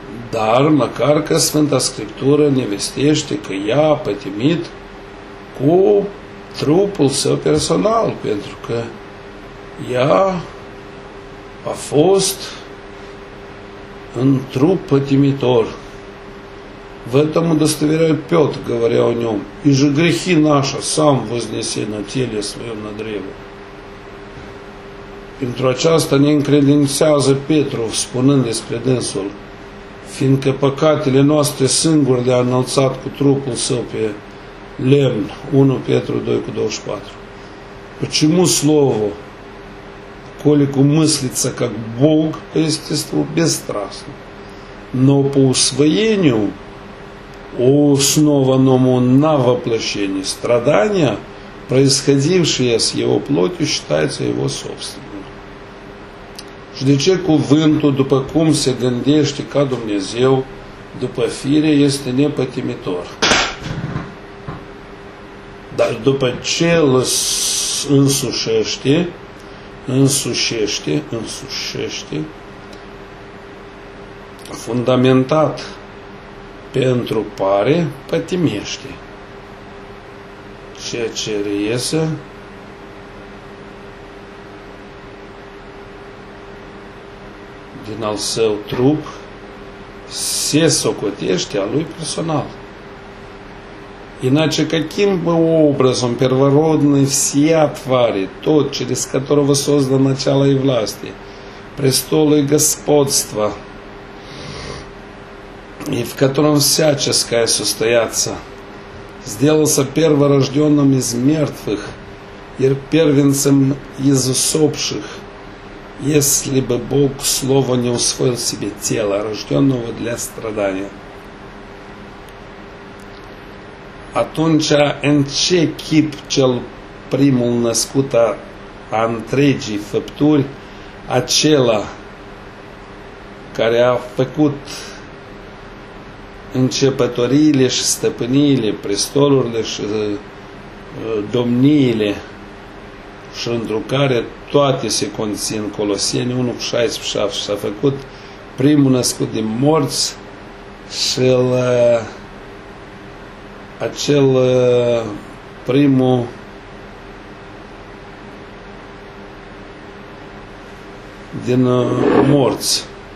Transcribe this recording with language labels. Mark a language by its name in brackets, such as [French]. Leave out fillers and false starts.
[Romanian] Dar, măcar că Sfânta Scriptură ne vestește că ea a pătimit cu trupul său personal, pentru că ea a fost în trup pătimitor. [Russian] В этом удостоверяет Петр, говоря о нем, и же грехи наши сам вознеси на теле своем на древо. [Romanian] Pentru aceasta ne încredințează Petru, spunând despre dânsul, fiindcă păcatele noastre singuri le-a înălțat cu trupul său pe lemn, 1 Petru 2,24. [Russian] Почему слово, колику мыслится как Бог по естеству бесстрастно, но по усвоению основанному на воплощении страдания, происходившие с его плотью, считается его собственным. [Romanian] Și de ce cuvântul, după cum se gândește ca Dumnezeu, după fire, este nepătimitor? Dar după ce îl însușește, însușește, fundamentat pentru pare, pătimește. Ceea ce reiese din al său trup se socotește a lui personal. [Russian] Иначе каким бы образом первородной всея твари, тот, через которого создано начало и власти, престолы и господства, и в котором всяческое состояться, сделался перворожденным из мертвых и первенцем из усопших, если бы Бог слово не усвоил себе тело, рожденного для страдания. [Romanian] Atunci, în ce chip cel primul născut a întregii făpturi, acela care a făcut începătoriile și stăpâniile, prestolurile și domniile și într-o care toate se conțin, Coloseni 1,16, s-a făcut primul născut din morți și acel primul din morți.